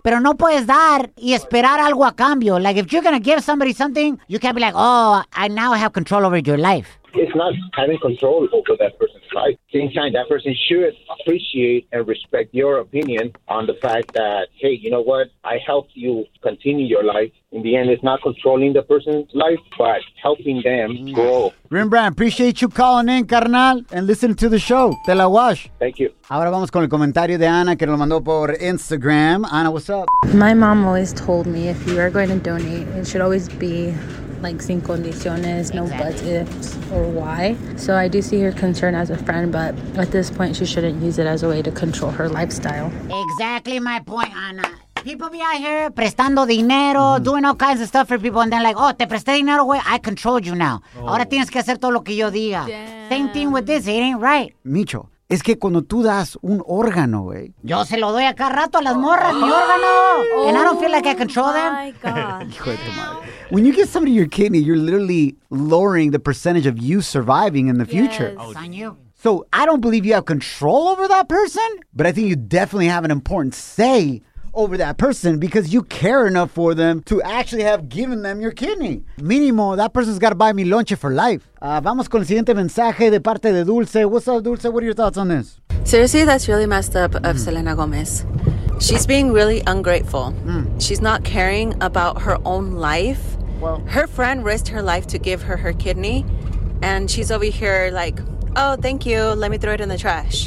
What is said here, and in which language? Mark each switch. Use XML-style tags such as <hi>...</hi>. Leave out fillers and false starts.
<es>Pero no puedes dar y esperar algo a cambio.</es> <en>Like, if you're going to give somebody something, you can't be like, oh, I now have control over your life. It's not having control over that person's life. At the same time, that person should appreciate and respect your opinion on the fact that, hey, you know what? I helped you continue your life. In the end, it's not controlling the person's life, but helping them grow. Rembrandt, appreciate you calling in, carnal, and listening to the show.</en> <es>Te la wash.</es> <en>Thank you.</en> <es>Ahora vamos con el comentario de Ana, que lo mandó por Instagram.</es> <en>Ana, what's up? My mom always told me if you are going to donate, it should always be like</en> <es>sin condiciones,</es> <en>no buts, ifs, or why. So I do see her concern as a friend, but at this point, she shouldn't use it as a way to control her lifestyle. Exactly my point, Ana. People be out here</en> <es>prestando dinero,</es> <en>doing all kinds of stuff for people, and they're like, oh,</en> <es>te presté dinero, güey,</es> <en>I control you now. Oh.</en> <es>Ahora tienes que hacer todo lo que yo diga.</es> <en>Damn. Same thing with this, it ain't right.</en> <es>Micho, es que cuando tú das un órgano, güey. Yo se lo doy a cada rato a las morras, mi órgano. Oh,</es> <en>and I don't feel like I control them.</en> <es>Hijo de tu madre.</es> <en>When you give somebody your kidney, you're literally lowering the percentage of you surviving in the future. Yes. On you. So I don't believe you have control over that person, but I think you definitely have an important say over that person because you care enough for them to actually have given them your kidney. Mínimo, that person's got to buy me lunch for life.</en> <es>Vamos con el siguiente mensaje de parte de Dulce.</es> <en>What's up, Dulce? What are your thoughts on this? Seriously, that's really messed up of Selena Gomez. She's being really ungrateful. She's not caring about her own life. Well, her friend risked her life to give her her kidney, and she's over here like, oh, thank you, let me throw it in the trash.</en>